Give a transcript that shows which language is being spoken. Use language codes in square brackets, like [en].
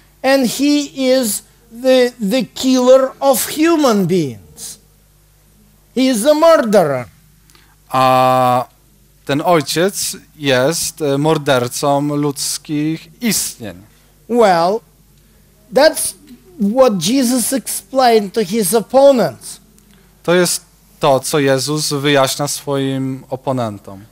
[en] And he is the killer of human beings. He is a murderer. [pl] A ten ojciec jest mordercą ludzkich istnień. [en] Well, that's what Jesus explained to his opponents. [pl] To jest to, co Jezus wyjaśnia swoim oponentom.